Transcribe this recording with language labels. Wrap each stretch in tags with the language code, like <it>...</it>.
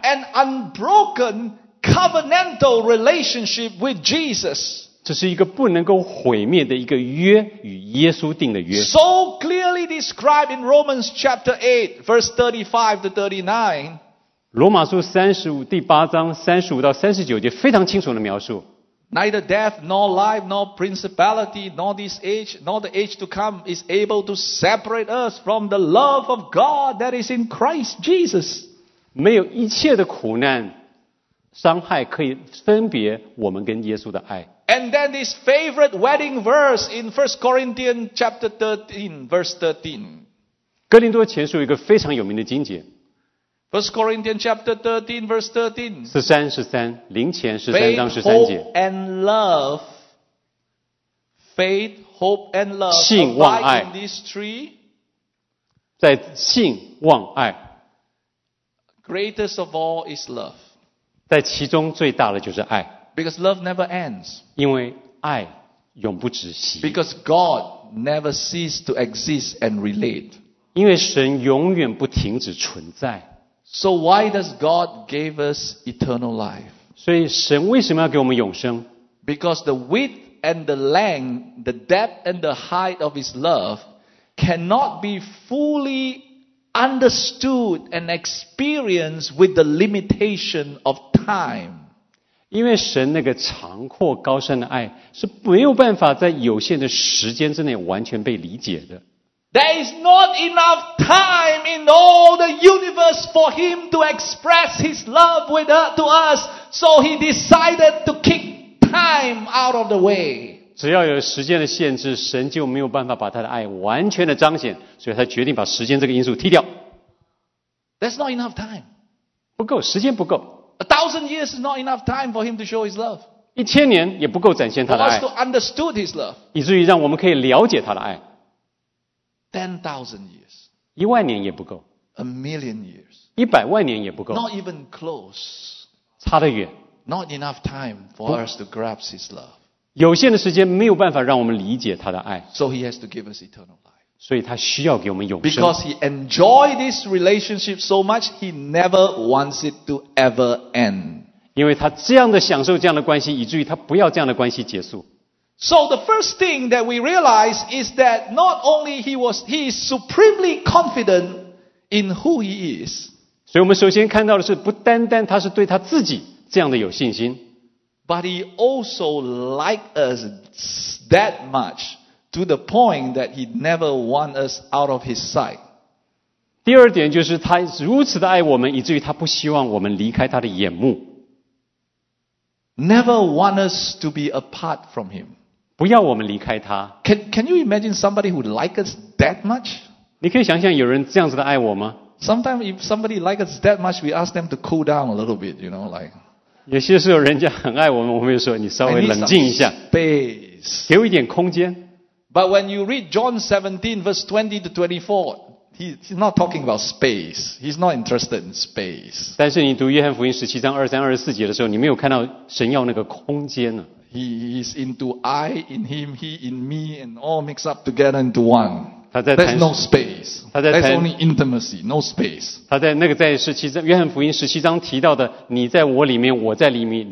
<en>An unbroken covenantal relationship with Jesus.</en> <zh>这是一个不能够毁灭的一个约，与耶稣定的约。</zh> <en>So clearly described in Romans chapter 8, verse 35 to 39.</en> <zh>罗马书35第8章35到39节非常清楚的描述。</zh> <en>Neither death, nor life, nor principality, nor this age, nor the age to come is able to separate us from the love of God that is in Christ Jesus.</en> <zh>没有一切的苦难、伤害可以分别我们跟耶稣的爱。</zh> <en>And then this favorite wedding verse in 1 Corinthians chapter 13, verse 13.</en> <zh>哥林多前书一个非常有名的经节。</zh> <en>1 Corinthians chapter 13, verse 13.</en> <zh>13:13, 林前13章13节。</zh> <en>Faith, hope, and love. Faith, hope, and love.</en> <zh>信望爱。</zh> <en>In these three.</en> <zh>在信望爱。</zh> <en>Greatest of all is love.</en> <zh>在其中最大的就是爱。</zh> <en>Because love never ends.</en> <zh>因为爱永不止息。</zh> <en>Because God never ceases to exist and relate.</en> <zh>因为神永远不停止存在。</zh> <en>So why does God give us eternal life?</en> <zh>所以神为什么要给我们永生?</zh> <en>Because the width and the length, the depth and the height of His love cannot be fully understood and experienced with the limitation of time.</en> <zh>因为神那个长阔高深的爱是没有办法在有限的时间之内完全被理解的。</zh> <en>There is not enough time in all the universe for him to express his love with her, to us, so he decided to kick time out of the way.</en> <zh>只要有时间的限制，神就没有办法把他的爱完全的彰显，所以他决定把时间这个因素踢掉。</zh> <en>That's not enough time.</en> <zh>不够，时间不够。</zh> <en>1,000 years is not enough time for him to show his love.</en> <zh>1,000年也不够展现他的爱。</zh> <en>For us to understand his love.</en> <zh>以至于让我们可以了解他的爱。</zh> <en>10,000 years.</en> <zh>一万年也不够。</zh> <en>1,000,000 years.</en> <zh>一百万年也不够。</zh> <en>Not even close.</en> <zh>差得远。</zh> <en>Not enough time for us to grasp his love.</en> <zh>有限的时间没有办法让我们理解他的爱。</zh> <en>So he has to give us eternal life.</en> <zh>所以他需要给我们永生。</zh> <en>Because he enjoyed this relationship so much, he never wants it to ever end.</en> <zh>因为他这样的享受这样的关系，以至于他不要这样的关系结束。</zh> <en>So the first thing that we realize is that not only he is supremely confident in who he is.</en> <zh>所以我们首先看到的是不单单他是对他自己这样的有信心。</zh> <en>But he also liked us that much to the point that he never wants us out of his sight.</en> <zh>第二点就是他如此的爱我们以至于他不希望我们离开他的眼目。</zh> <en>Never want us to be apart from him.</en> <zh>不要我们离开他。</zh> <en>Can you imagine somebody who likes us that much?</en> <zh>你可以想象有人这样子的爱我吗？</zh> <en>Sometimes if somebody likes us that much, we ask them to cool down a little bit, you know, like.</en> <zh>有些时候人家很爱我们，我们就说你稍微冷静一下。</zh> <en>I need some space.</en> <zh>给我一点空间。</zh> <en>But when you read John 17 verse 20 to 24, he's not talking about space. He's not interested in space.</en> <zh>但是你读约翰福音17章23 24节的时候，你没有看到神要那个空间啊。</zh> <en>He is into I in him, he in me, and all mixed up together into one.</en> <zh>他在谈</zh> <en>There's no space.</en> <zh>他在谈</zh> <en>There's only intimacy, no space.</en> <zh>他在那个在十七章约翰福音十七章提到的，你在我里面，我在里面，</zh>